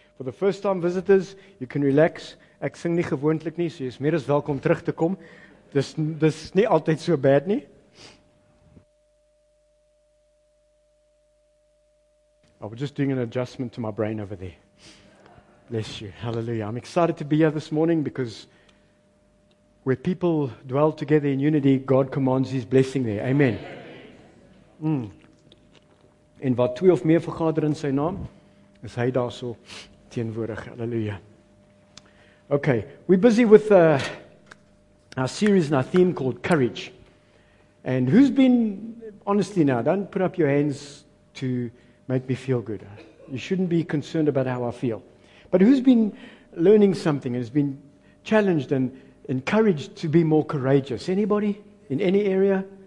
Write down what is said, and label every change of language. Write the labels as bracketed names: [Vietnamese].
[English] For the first time visitors, you can relax. [Afrikaans] Ek sing nie gewoonlik nie, so jy is meer as welkom terug te kom. Dis nie altyd so bad nie. [English] I was just doing an adjustment to my brain over there. Bless you, hallelujah. I'm excited to be here this morning because where people dwell together in unity, God commands His blessing there. Amen. Mm. [Afrikaans] En wat twee of meer vergader in sy naam, is hy daar so teenwoordig. [English] Hallelujah. Okay, we're busy with our series and our theme called Courage. And who's been, honestly now, don't put up your hands to make me feel good. You shouldn't be concerned about how I feel. But who's been learning something and has been challenged and encouraged to be more courageous? Anybody? In any area?